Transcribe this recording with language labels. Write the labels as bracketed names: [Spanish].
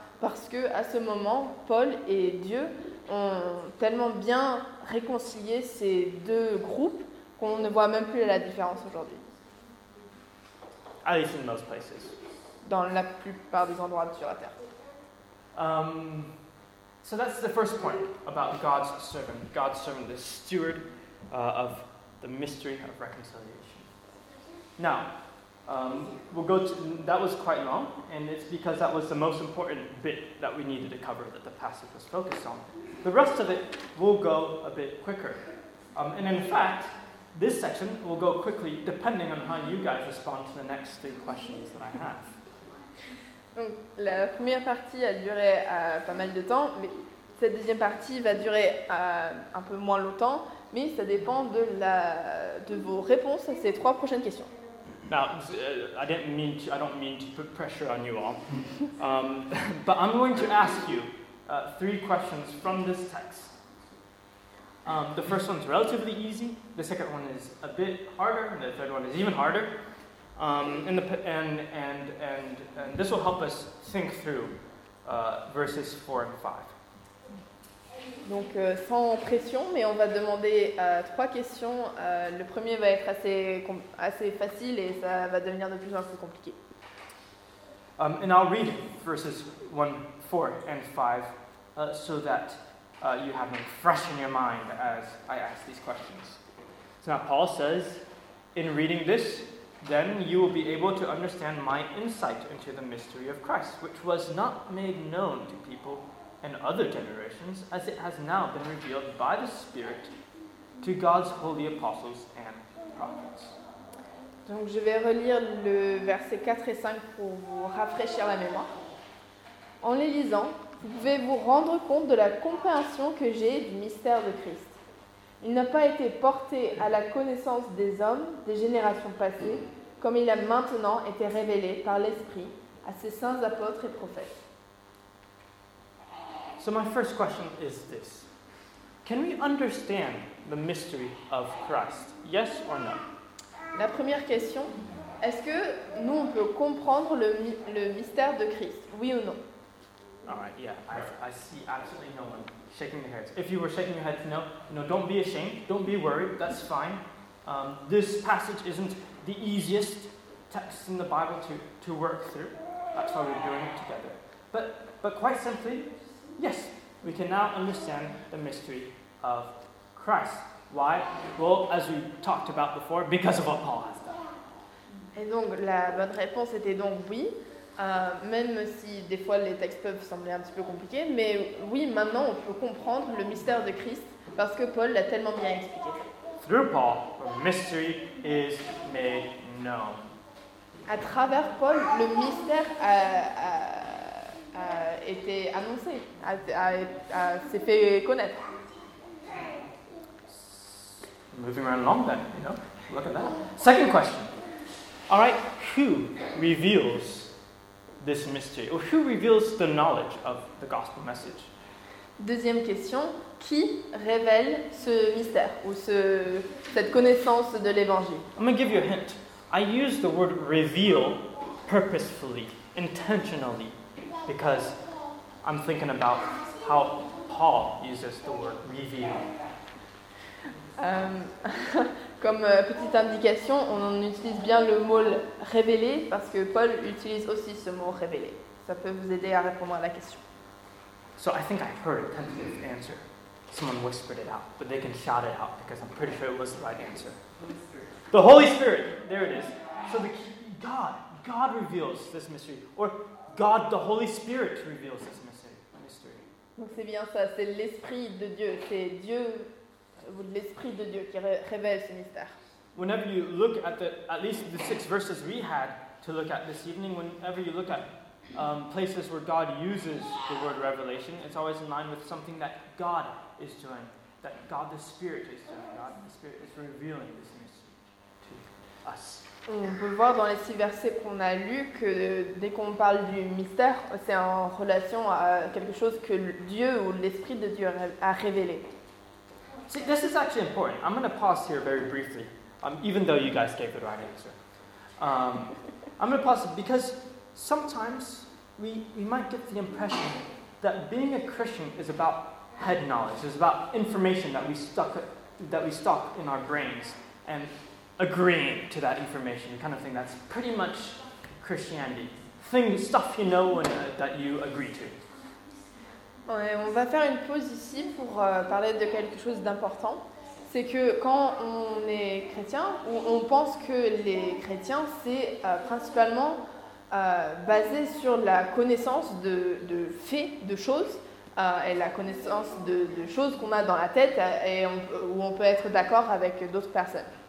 [French] Parce qu'à ce moment, Paul et Dieu ont tellement bien réconcilié ces deux groupes qu'on ne voit même plus la différence aujourd'hui. [English] At least in most places. [French] Dans la plupart des endroits sur la Terre. [English] So that's the first point about God's servant. God's servant, the steward of the mystery of reconciliation. Now, We'll go to, that was quite long, and it's because that was the most important bit that we needed to cover that the passage was focused on. The rest of it will go a bit quicker. And in fact, this section will go quickly depending on how you guys respond to the next three questions that I have. [French] Donc, la première partie a duré pas mal de temps, mais cette deuxième partie va durer un peu moins longtemps, mais ça dépend de vos réponses à ces trois prochaines questions. [English] Now, I don't mean to put pressure on you all, but I'm going to ask you three questions from this text. The first one's relatively easy, the second one is a bit harder, and the third one is even harder. And this will help us think through verses 4 and 5. [French] Donc sans pression, mais on va demander trois questions. Le premier va être assez facile et ça va devenir de plus en plus compliqué. [English] And I'll read verses 1, 4 and 5 so that you have them fresh in your mind as I ask these questions. So now Paul says, in reading this, then you will be able to understand my insight into the mystery of Christ, which was not made known to people in other generations, as it has now been revealed by the Spirit to God's holy apostles and prophets. [French] Donc je vais relire le verset 4 et 5 pour vous rafraîchir la mémoire. En les lisant, vous pouvez vous rendre compte de la compréhension que j'ai du mystère de Christ. Il n'a pas été porté à la connaissance des hommes des générations passées, comme il a maintenant été révélé par l'Esprit à ses saints apôtres et prophètes. [English] So my first question is this. Can we understand the mystery of Christ? Yes or no? [French] La première question, est-ce que nous on peut comprendre le mystère de Christ? Oui ou non? [English] All right, yeah, I see absolutely no one shaking their heads. If you were shaking your heads, no, don't be ashamed, don't be worried, that's fine. This passage isn't the easiest text in the Bible to work through. That's why we're doing it together. But quite simply, yes, we can now understand the mystery of Christ. Why? Well, as we talked about before, because of what Paul has done. [French] Et donc, la bonne réponse était donc oui. Même si des fois les textes peuvent sembler un petit peu compliqués, mais oui, maintenant on peut comprendre le mystère de Christ parce que Paul l'a tellement bien expliqué. [English] Through Paul, the mystery is made known. [French] À travers Paul, le mystère a été annoncé, a s'est fait connaître. [English] Moving right along then, look at that. Second question. All right, who reveals this mystery? Or who reveals the knowledge of the gospel message? [French] Deuxième question, qui révèle ce mystère ou cette connaissance de l'évangile? [English] I'm going to give you a hint. I use the word reveal purposefully, intentionally, because I'm thinking about how Paul uses the word reveal. [French] Comme petite indication, on en utilise bien le mot révéler parce que Paul utilise aussi ce mot révéler. Ça peut vous aider à répondre à la question. [English] So I think I've heard a tentative answer. Someone whispered it out, but they can shout it out because I'm pretty sure it was the right answer. The Holy Spirit. There it is. So the God reveals this mystery, or God, the Holy Spirit reveals this mystery. [French] Donc c'est bien ça. C'est l'Esprit de Dieu. C'est Dieu. L'Esprit de Dieu qui révèle ce mystère. [English] Whenever you look at at least the six verses we had to look at this evening, whenever you look at places where God uses the word revelation, it's always in line with something that God is doing, that God the Spirit is doing. God the Spirit is revealing this mystery to us. [French] On peut voir dans les six versets qu'on a lus que dès qu'on parle du mystère, c'est en relation à quelque chose que Dieu ou l'Esprit de Dieu a révélé. [English] See, this is actually important. I'm going to pause here very briefly, even though you guys gave the right answer. I'm going to pause because sometimes we might get the impression that being a Christian is about head knowledge. It's about information that we stock in our brains and agreeing to that information, kind of thing. That's pretty much Christianity. Stuff you know and that you agree to. [French] On va faire une pause ici pour parler de quelque chose d'important. c'est que quand on est chrétien, on pense que les chrétiens, c'est principalement basé sur la connaissance de faits, de choses, et la connaissance de choses qu'on a dans la tête et où on peut être d'accord avec d'autres personnes.